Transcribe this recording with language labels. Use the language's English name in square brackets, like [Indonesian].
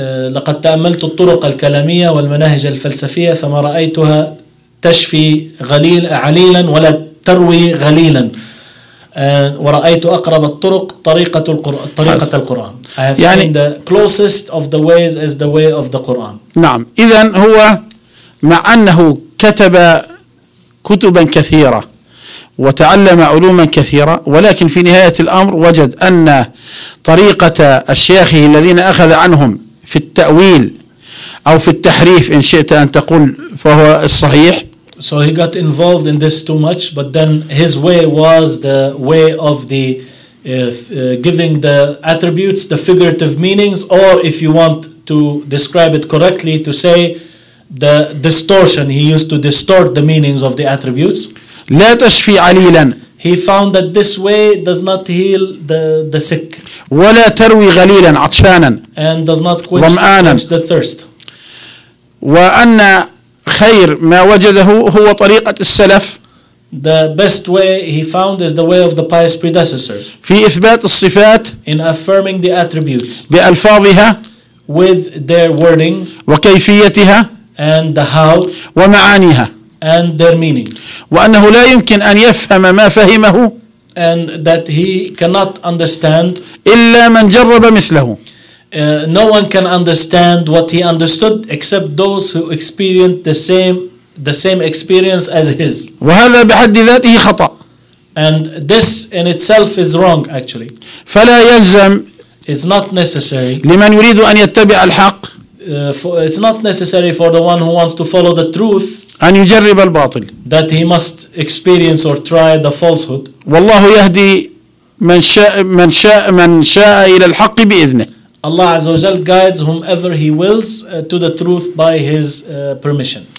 [Arabic] لقد تأملت الطرق الكلامية والمناهج الفلسفية فما رأيتها تشفي عليلا ولا تروي غليلا ورأيت أقرب الطرق طريقة القرآن. [English] I have seen the closest of the ways is the way of the Quran. [Arabic] نعم إذن هو مع أنه كتب كتبا كثيرة وتعلم علوما كثيرة ولكن في نهاية الأمر وجد أن طريقة الشيخ الذين أخذ عنهم في التأويل أو في التحريف إن شئت أن تقول فهو الصحيح. [English] So he got involved in this too much, but then his way was the way of the giving the attributes, the figurative meanings, or if you want to describe it correctly, to say the distortion. He used to distort the meanings of the attributes. [Arabic] لا تشفي عليلا. [English] He found that this way does not heal the sick. [Arabic] ولا تروي غليلا عطشانا. [English] And does not quench the thirst. [Arabic] وأن خير ما وجده هو طريقة السلف. [English] The best way he found is the way of the pious predecessors. [Arabic] في إثبات الصفات. [English] In affirming the attributes. [Arabic] بألفاظها. [English] With their wordings. [Arabic] وكيفيتها. [English] And the how. [Arabic] ومعانيها. [English] And their meanings. [Arabic] وأنه لا يمكن أن يفهم ما فهمه. [English] And that he cannot understand. [Arabic] إلا من جرب مثله. [English] No one can understand what he understood except those who experienced the same experience as his. [Arabic] وهذا بحد ذاته خطأ. [English] And this in itself is wrong actually. [Arabic] فلا يلزم. [English] It's not necessary. [Arabic] لمن يريد أن يتبع الحق. [English] It's not necessary for the one who wants to follow the truth. [Arabic] أن يجرب الباطل. [English] That he must experience or try the falsehood. [Arabic] والله يهدي من شاء إلى الحق بإذنه. [English] Allah عز وجل guides whomever he wills to the truth by his permission.